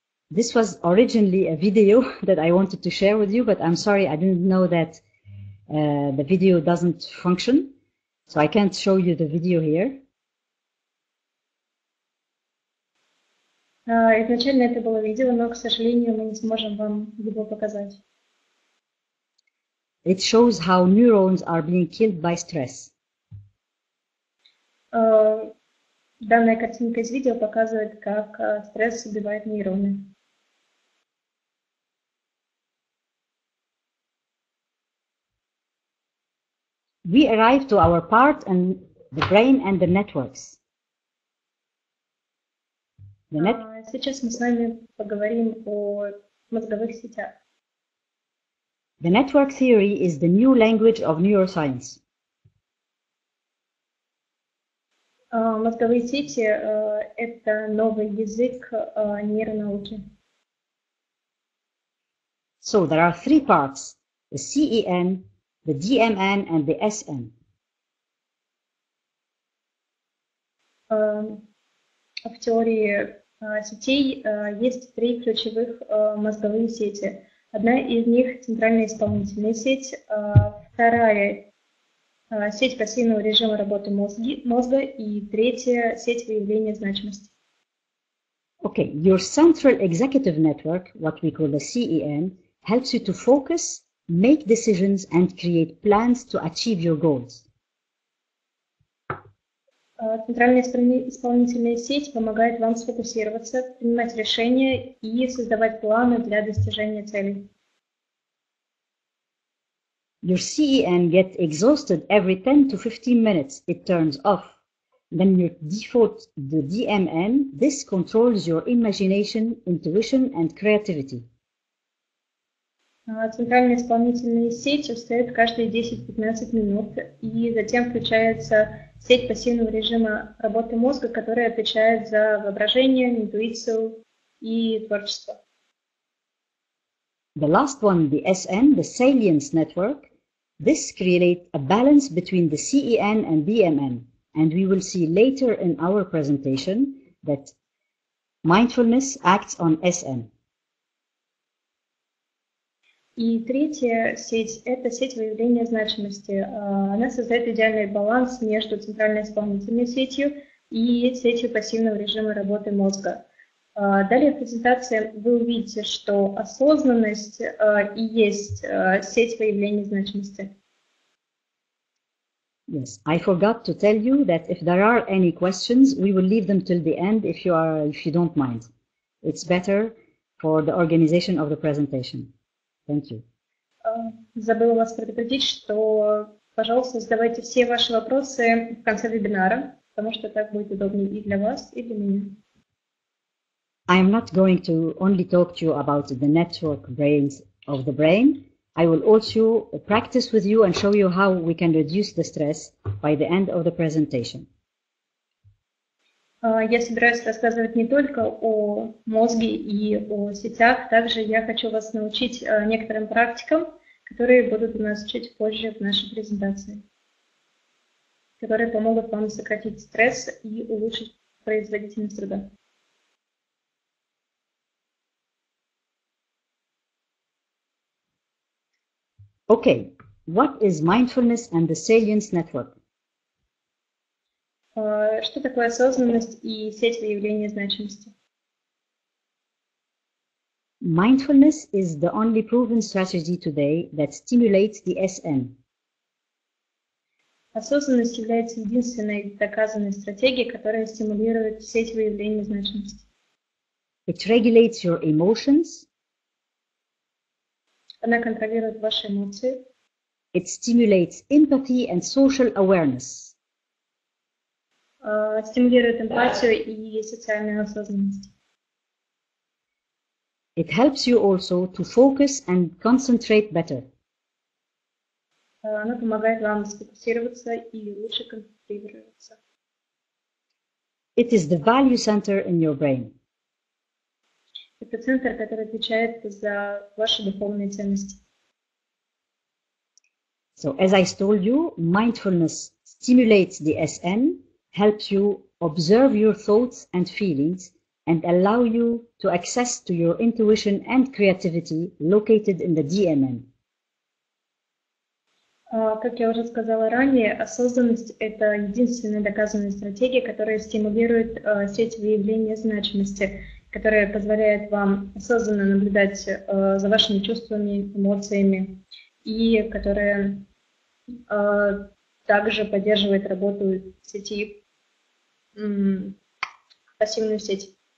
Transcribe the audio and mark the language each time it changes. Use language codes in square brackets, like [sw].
[en] This was originally a video that I wanted to share with you, but I'm sorry, I didn't know that the video doesn't function. So I can't show you the video here. [ru] Изначально это было видео, но, к сожалению, мы не сможем вам его показать. [en] It shows how neurons are being killed by stress. [ru] Данная картинка из видео показывает, как стресс убивает нейроны. [en] We arrive to our part and the brain and the networks. [ru] The сейчас мы с вами поговорим о мозговых сетях. [en] The network theory is the new language of neuroscience. [ru] Мозговые сети – это новый язык нейронауки. [en] So there are three parts, the CEN, the DMN and the SN. [ru] В теории сетей есть три ключевых мозговые сети. Одна из них – центральная исполнительная сеть, вторая – сеть пассивного режима работы мозга и третья – сеть выявления значимости. [en] Okay, your central executive network, what we call the CEN, helps you to focus, make decisions and create plans to achieve your goals. [ru] Центральная исполнительная сеть помогает вам сфокусироваться, принимать решения и создавать планы для достижения целей. [en] Your CEN gets exhausted every 10 to 15 minutes, it turns off. Then your default, the DMN, this controls your imagination, intuition and creativity. [ru] Центральная исполнительная сеть устает каждые 10-15 минут, и затем включается сеть пассивного режима работы мозга, которая отвечает за воображение, интуицию и творчество. [en] The last one, the SN, the salience network, this creates a balance between the CEN and DMN, and we will see later in our presentation that mindfulness acts on SN. [ru] И третья сеть – это сеть выявления значимости. Она создает идеальный баланс между центральной исполнительной сетью и сетью пассивного режима работы мозга. Далее в презентации вы увидите, что осознанность и есть сеть выявления значимости. [en] Yes, I forgot to tell you that if there are any questions, we will leave them till the end if you don't mind. It's better for the organization of the presentation. Thank you. [ru] Забыла вас предупредить, что, пожалуйста, задавайте все ваши вопросы в конце вебинара, потому что так будет удобнее и для вас, и для меня. [en] I'm not going to only talk to you about the network brains of the brain. I will also practice with you and show you how we can reduce the stress by the end of the presentation. [ru] Я собираюсь рассказывать не только о мозге и о сетях, также я хочу вас научить некоторым практикам, которые будут у нас чуть позже в нашей презентации, которые помогут вам сократить стресс и улучшить производительность труда. [en] Okay, what is mindfulness and the salience network? [ru] Что такое осознанность и сеть выявления значимости? [en] Mindfulness is the only proven strategy today that stimulates the SN. [ru] Осознанность является единственной доказанной стратегией, которая стимулирует сеть выявления значимости. [en] which regulates your emotions. [ru] Она контролирует ваши эмоции. [en] It stimulates empathy and social awareness. [ru] Стимулирует эмпатию и социальную осознанность. [en] It helps you also to focus and concentrate better. [ru] Она помогает вам сфокусироваться и лучше концентрироваться. [en] It is the value center in your brain. [ru] Это центр, который отвечает за ваши духовные ценности. [en] So, as I told you, mindfulness stimulates the SN, helps you observe your thoughts and feelings, and allow you to access to your intuition and creativity located in the DMN. [ru] Как я уже сказала ранее, осознанность – это единственная доказанная стратегия, которая стимулирует сеть выявления значимости, которая позволяет вам осознанно наблюдать за вашими чувствами, эмоциями, и которая также поддерживает работу сети, пассивную сеть.